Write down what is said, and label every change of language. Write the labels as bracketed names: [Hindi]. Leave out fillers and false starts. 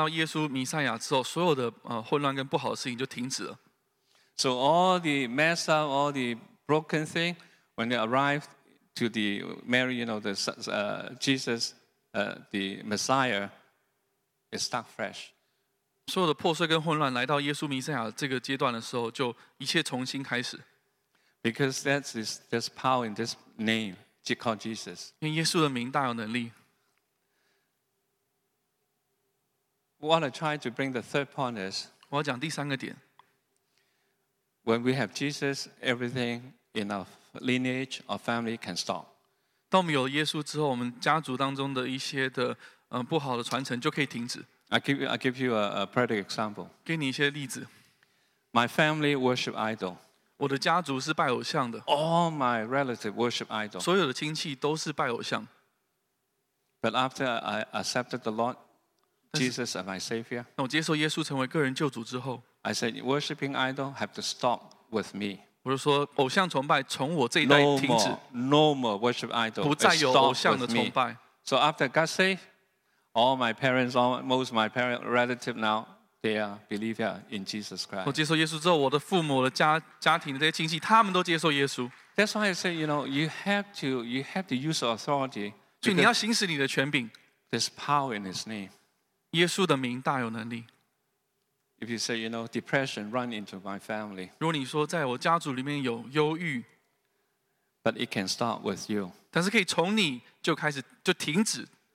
[Chinese] 当他们谈到耶稣弥赛亚之后,所有的 混乱跟不好的事情就停止了。 [English] So all the mess up, all the broken thing, when they arrived to the Mary, you know, the Jesus, the Messiah, it stuck fresh. [Chinese] 所有的破碎跟混乱来到耶稣弥赛亚这个阶段的时候，就一切重新开始。 [English] Because that's this power in this name, called Jesus. [Chinese] 因为耶稣的名大有能力。 [English] What I try to bring the third point is, [Chinese] 我要讲第三个点。 [English] When we have Jesus, everything in our lineage or family can stop. [Chinese] 当我们有耶稣之后，我们家族当中的一些的 不好的传承就可以停止。 [English] I give you a practical example. [Chinese] 给你一些例子。 [English] My family worship idol. [Chinese] 我的家族是拜偶像的。 [English] All my relatives worship idol. [Chinese] 所有的亲戚都是拜偶像。 [English] But after I accepted the Lord Jesus as my Savior, [Chinese] 那我接受耶稣成为个人救主之后, [English] I said, worshiping idol have to stop with me. [Chinese] 我就说偶像崇拜从我这一代停止。 [English] No more worship idol. [Chinese] 不再有偶像的崇拜。 [English] So after God saved, all my parents, most of my parents, relatives now, they are believers in Jesus Christ. [Chinese] 我接受耶稣之后，我的父母、我的家庭的这些亲戚，他们都接受耶稣。 [English] That's why I say, you know, you have to use authority. [Chinese] 所以你要行使你的权柄。 [English] There's power in His name. [Chinese] 耶稣的名大有能力。 [English] If you say, you know, depression run into my family. [Chinese] 如果你说在我家族里面有忧郁, [English] but it can start with you. [Chinese] 但是可以从你就开始就停止,